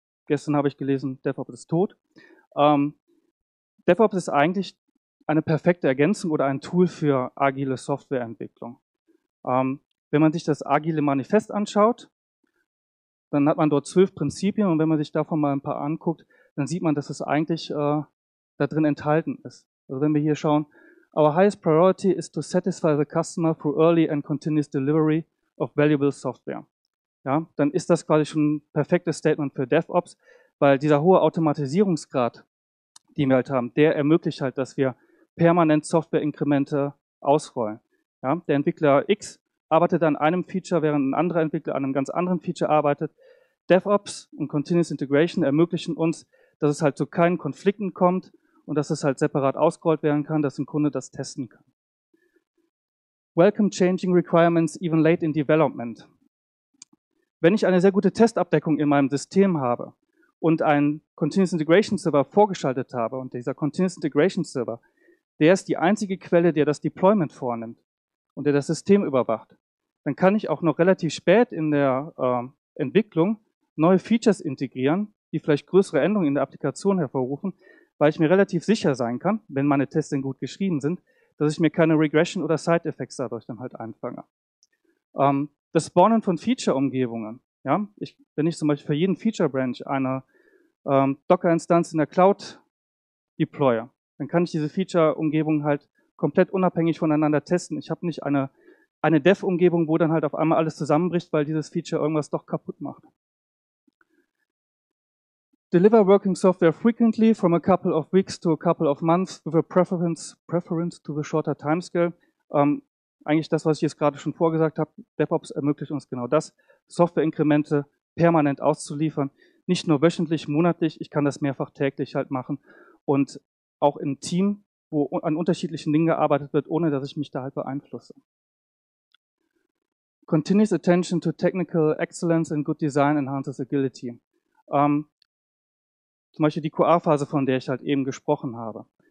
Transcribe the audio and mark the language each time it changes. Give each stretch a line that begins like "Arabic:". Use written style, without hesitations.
German: Gestern habe ich gelesen, DevOps ist tot. DevOps ist eigentlich eine perfekte Ergänzung oder ein Tool für agile Softwareentwicklung. Wenn man sich das agile Manifest anschaut, dann hat man dort 12 Prinzipien und wenn man sich davon mal ein paar anguckt, dann sieht man, dass es eigentlich da drin enthalten ist. Also wenn wir hier schauen,
English: our highest priority is to satisfy the customer through early and continuous delivery of valuable software.
German: Ja, dann ist das quasi schon ein perfektes Statement für DevOps, weil dieser hohe Automatisierungsgrad, den wir halt haben, der ermöglicht halt, dass wir permanent Software-Inkremente ausrollen. Ja, der Entwickler X arbeitet an einem Feature, während ein anderer Entwickler an einem ganz anderen Feature arbeitet. DevOps und Continuous Integration ermöglichen uns, dass es halt zu keinen Konflikten kommt und dass es halt separat ausgerollt werden kann, dass ein Kunde das testen kann.
English: Welcome changing requirements even late in development.
German: Wenn ich eine sehr gute Testabdeckung in meinem System habe und einen Continuous Integration Server vorgeschaltet habe und dieser Continuous Integration Server, der ist die einzige Quelle, der das Deployment vornimmt und der das System überwacht, dann kann ich auch noch relativ spät in der Entwicklung neue Features integrieren, die vielleicht größere Änderungen in der Applikation hervorrufen, weil ich mir relativ sicher sein kann, wenn meine Tests denn gut geschrieben sind, dass ich mir keine Regression oder Side-Effects dadurch dann halt einfange. Das Spawnen von Feature-Umgebungen, ja, wenn ich zum Beispiel für jeden Feature-Branch eine Docker-Instanz in der Cloud deploye, dann kann ich diese Feature-Umgebung halt komplett unabhängig voneinander testen. Ich habe nicht eine Dev-Umgebung, wo dann halt auf einmal alles zusammenbricht, weil dieses Feature irgendwas doch kaputt macht.
English: Deliver working software frequently from a couple of weeks to a couple of months with a preference to the shorter timescale.
German: Eigentlich das, was ich jetzt gerade schon vorgesagt habe, DevOps ermöglicht uns genau das, Software-Inkremente permanent auszuliefern, nicht nur wöchentlich, monatlich, ich kann das mehrfach täglich halt machen und auch im Team, wo an unterschiedlichen Dingen gearbeitet wird, ohne dass ich mich da halt beeinflusse.
English: Continuous attention to technical excellence and good design enhances agility.
German: Zum Beispiel die QA-Phase, von der ich halt eben gesprochen habe.